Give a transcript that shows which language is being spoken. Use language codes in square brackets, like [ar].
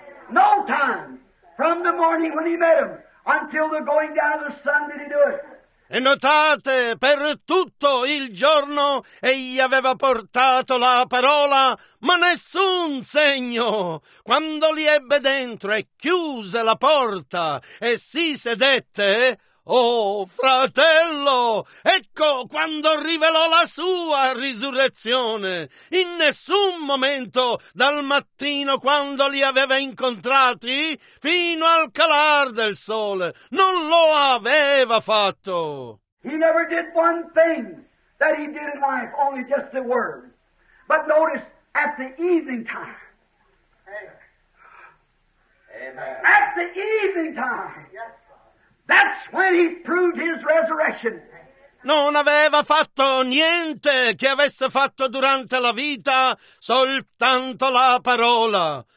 [en] No time from the morning when he met him until the going down of the sun did he do it. [it] E notate, per tutto il giorno egli aveva portato la parola, ma nessun segno. Quando li ebbe dentro e chiuse la porta e si sedette, oh fratello, ecco quando rivelò la sua risurrezione. In nessun momento, dal mattino quando li aveva incontrati fino al calar del sole, non lo aveva fatto. [en] He never did one thing that he did in life, only just the word. But notice, at the evening time. Amen. At the evening time. That's when he proved his resurrection. [it] non aveva fatto niente che avesse fatto durante la vita, soltanto la parola.